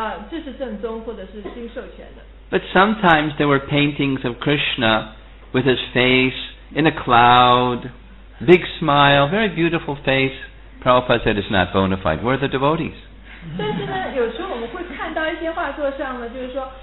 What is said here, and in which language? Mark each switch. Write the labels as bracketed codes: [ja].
[zh] 这是正宗或者是经授权的。 [en] But sometimes there were paintings of Krishna with his face in a cloud, big smile, very beautiful face. Prabhupada said it's not bona fide. Where are the devotees? [zh] 但是呢，有时候我们会看到一些画作上呢，就是说。